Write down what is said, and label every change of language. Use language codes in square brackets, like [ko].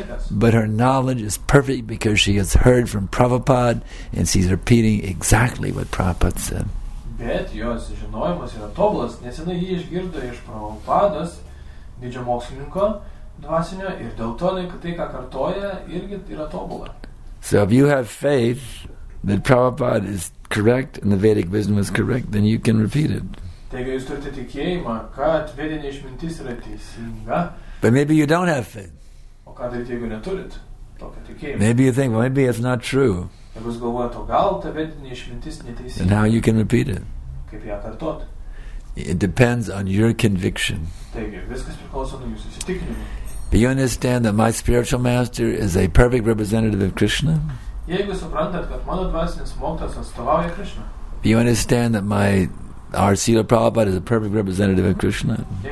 [en] But her knowledge is perfect because she has heard from Prabhupada and she's repeating exactly what Prabhupada said. [lt] Bet jos žinojimas yra tobulas, nes jinai išgirdo iš Prabhupados didžio mokslininko dvasinio ir dėl to, kad tai, ką kartoja, irgi yra tobula. [en] So if you have faith that Prabhupada is correct and the Vedic wisdom is correct, then you can repeat it. [lt] Taigi jūs turite tikėjimą, kad vedinė išmintis yra teisinga. [en] But maybe you don't have faith. [lt] O ką daryti, jeigu neturit tokio tikėjimo? [en] Maybe you think, well, maybe it's not true. [lt] Jeigu jūs galvojate, o gal ta vedinė išmintis neteisinga? [en] And how you can repeat it? [lt] Kaip ją kartot? [en] It depends on your conviction. [lt] Taigi, viskas priklauso nuo jūsų įsitikinimų. [en] Do you understand that my spiritual master is a perfect representative of Krishna? [lt] Jeigu suprantat, kad mano dvasinis mokytojas atstovauja Krishna? [en] Do you understand that my our Srila Prabhupada is a perfect representative of Krishna.